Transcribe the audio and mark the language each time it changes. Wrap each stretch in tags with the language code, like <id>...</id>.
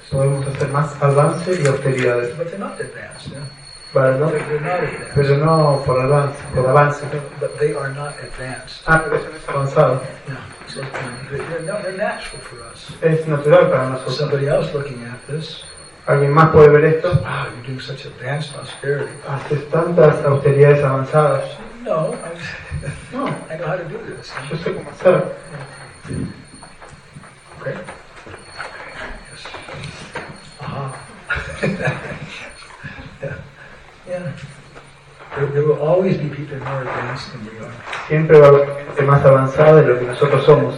<es>Podemos hacer más avance y austeridades.</es> <en>But they're not advanced, yeah.</en> <es>Pero no,</es> <en>they're not advanced.</en> <es>Pero no por avance, por avance.</es> <en>But they are not advanced.</en> <es>Ah, avanzado.</es> <en>They're natural for us.</en> <es>Es natural para nosotros.</es> <en>Somebody else looking at this.</en> <es>¿Alguien más puede ver esto?</es> <en>Wow, you're doing such advanced austerity.</en> <es>Haces tantas austeridades avanzadas.</es> <en>No,</en> <es>no.</es> <en>I know how to do this.</en> <es>Yo sé cómo hacerlo.</es> <en>Okay. There will always be people more advanced than we are.</en> <es>Siempre va a haber más avanzado de lo que nosotros somos.</es>